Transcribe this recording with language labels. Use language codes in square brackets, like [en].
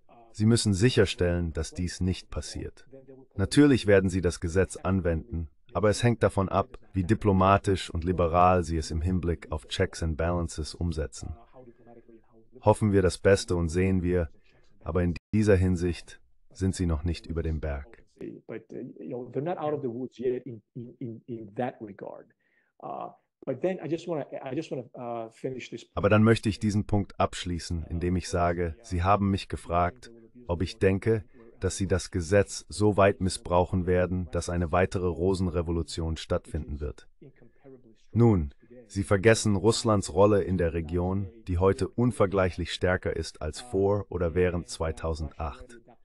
[de] Sie müssen sicherstellen, dass dies nicht passiert. Natürlich werden sie das Gesetz anwenden, aber es hängt davon ab, wie diplomatisch und liberal sie es im Hinblick auf Checks and Balances umsetzen. Hoffen wir das Beste und sehen wir, aber in dieser Hinsicht sind sie noch nicht über dem Berg. [en] But you know, they're not out of the woods yet in that regard. But then I just want to finish this. [de] Aber dann möchte ich diesen Punkt abschließen, indem ich sage, Sie haben mich gefragt, ob ich denke, dass Sie das Gesetz so weit missbrauchen werden, dass eine weitere Rosenrevolution stattfinden wird. Nun, Sie vergessen Russlands Rolle in der Region, die heute unvergleichlich stärker ist als vor oder während 2008.